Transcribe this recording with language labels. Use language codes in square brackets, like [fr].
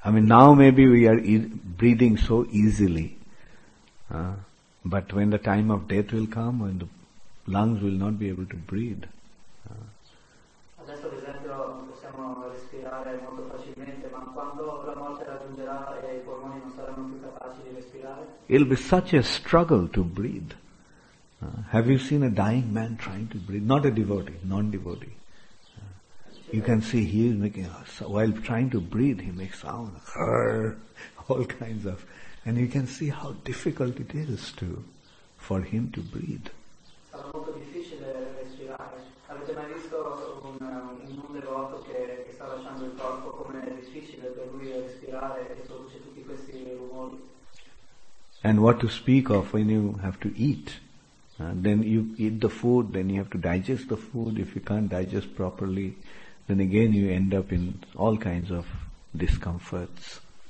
[en] Now maybe we are breathing so easily, but when the time of death will come, when the lungs will not be able to breathe. [it] Adesso, per esempio, possiamo respirare molto facilmente, ma quando la morte raggiungerà e i polmoni non saranno più capaci di respirare? [en] It'll be such a struggle to breathe. Have you seen a dying man trying to breathe? Not a devotee, non-devotee. You can see he is making, while trying to breathe, he makes sound, all kinds of, and you can see how difficult it is for him to breathe. [it] Sarà molto difficile respirare. Avete mai visto un devoto che sta lasciando il corpo, come è difficile per lui respirare e produce tutti questi rumori? [en] And what to speak of when you have to eat? Then you eat the food, then you have to digest the food. If you can't digest properly, then again you end up in all kinds of discomforts.